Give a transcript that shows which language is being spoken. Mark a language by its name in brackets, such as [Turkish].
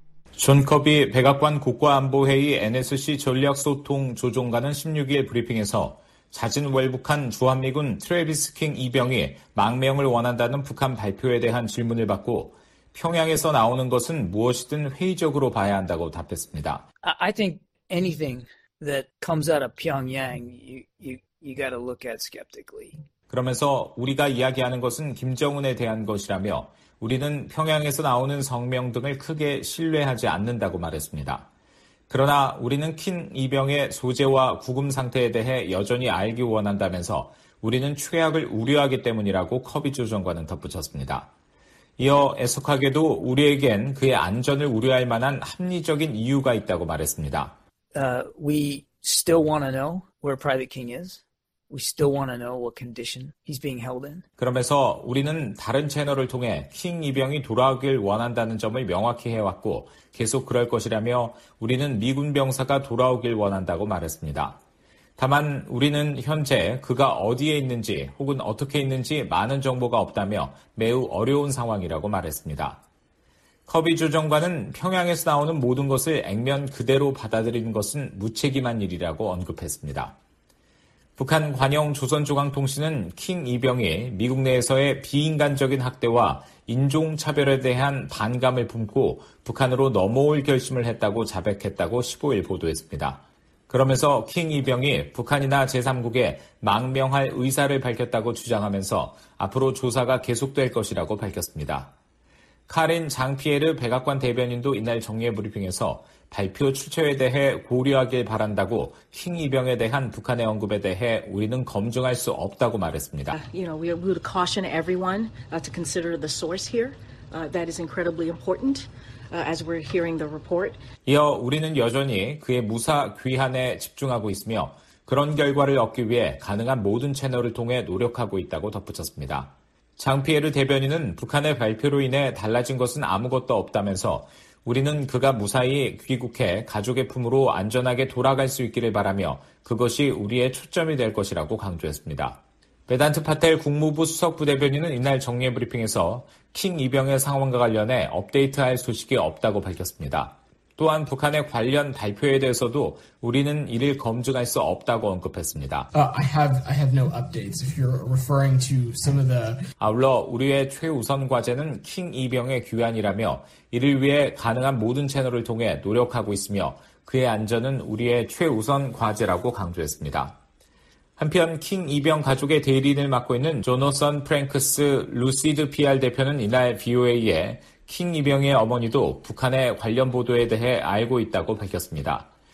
[Korean] 존 커비 백악관 국가안보회의 NSC 전략소통 조정관은 16일 브리핑에서 자진 월북한 주한 미군 트래비스 킹 이병이 망명을 원한다는 북한 발표에 대한 질문을 받고 평양에서 나오는 것은 무엇이든 회의적으로 봐야 한다고 답했습니다. [English] I think anything that comes out of Pyongyang, you got to look at skeptically. [Korean] 그러면서 우리가 이야기하는 것은 김정은에 대한 것이라며 우리는 평양에서 나오는 성명 등을 크게 신뢰하지 않는다고 말했습니다. 그러나 우리는 킹 이병의 소재와 구금 상태에 대해 여전히 알기 원한다면서 우리는 최악을 우려하기 때문이라고 커비 조정관은 덧붙였습니다. 이어 애석하게도 우리에겐 그의 안전을 우려할 만한 합리적인 이유가 있다고 말했습니다. [English] We still want to know where Private King is. We still want to know what condition he's being held in. [Korean] 그러면서 우리는 다른 채널을 통해 킹 이병이 돌아오길 원한다는 점을 명확히 해왔고 계속 그럴 것이라며 우리는 미군 병사가 돌아오길 원한다고 말했습니다. 다만 우리는 현재 그가 어디에 있는지 혹은 어떻게 있는지 많은 정보가 없다며 매우 어려운 상황이라고 말했습니다. 커비 조정관은 평양에서 나오는 모든 것을 액면 그대로 받아들이는 것은 무책임한 일이라고 언급했습니다. 북한 관영 조선중앙통신은 킹 이병이 미국 내에서의 비인간적인 학대와 인종차별에 대한 반감을 품고 북한으로 넘어올 결심을 했다고 자백했다고 15일 보도했습니다. 그러면서 킹 이병이 북한이나 제3국에 망명할 의사를 밝혔다고 주장하면서 앞으로 조사가 계속될 것이라고 밝혔습니다. 카린 장피에르 백악관 대변인도 이날 정례 브리핑에서 발표 출처에 대해 고려하길 바란다고 킹 이병에 대한 북한의 언급에 대해 우리는 검증할 수 없다고 말했습니다. [English] We would caution everyone to consider the source here. That is incredibly important. As we're hearing the report. [Korean] 이어 우리는 여전히 그의 무사 귀환에 집중하고 있으며 그런 결과를 얻기 위해 가능한 모든 채널을 통해 노력하고 있다고 덧붙였습니다. 장피에르 대변인은 북한의 발표로 인해 달라진 것은 아무것도 없다면서 우리는 그가 무사히 귀국해 가족의 품으로 안전하게 돌아갈 수 있기를 바라며 그것이 우리의 초점이 될 것이라고 강조했습니다. 베단트 파텔 국무부 수석부대변인은 이날 정례 브리핑에서 킹 이병의 상황과 관련해 업데이트할 소식이 없다고 밝혔습니다. 또한 북한의 관련 발표에 대해서도 우리는 이를 검증할 수 없다고 언급했습니다. [English] I have no updates. If you're referring to some of the [Korean] 아울러 우리의 최우선 과제는 킹 이병의 귀환이라며 이를 위해 가능한 모든 채널을 통해 노력하고 있으며 그의 안전은 우리의 최우선 과제라고 강조했습니다. 한편 킹 이병 가족의 대리인을 맡고 있는 조너선 프랭크스 루시드 PR 대표는 이날 VOA에 킹 이병의 어머니도 북한의 관련 보도에 대해 알고 있다고 밝혔습니다.